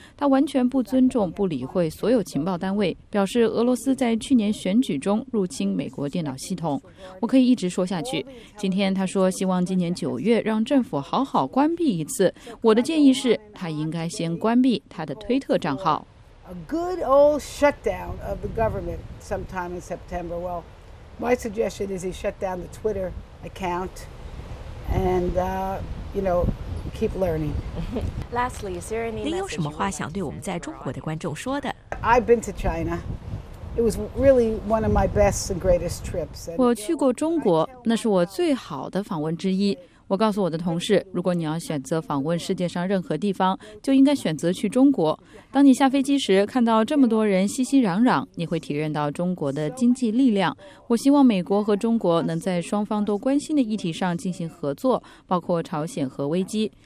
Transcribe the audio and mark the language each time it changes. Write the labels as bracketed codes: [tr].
[zh] 他完全不尊重、不理会所有情报单位，表示俄罗斯在去年选举中入侵美国电脑系统。我可以一直说下去。今天他说希望今年九月让政府好好关闭一次。我的建议是，他应该先关闭他的推特账号。 [en] A good old shutdown of the government sometime in September. Well, my suggestion is he shut down the Twitter account and. You know, keep learning. Lastly, is there any? [zh] 您有什么话想对我们在中国的观众说的 [en] ？I've been to China. It was really one of my best and greatest trips. [zh] 我去过中国，那是我最好的访问之一。我告诉我的同事，如果你要选择访问世界上任何地方，就应该选择去中国。当你下飞机时，看到这么多人熙熙攘攘，你会体验到中国的经济力量。我希望美国和中国能在双方都关心的议题上进行合作，包括朝鲜核危机。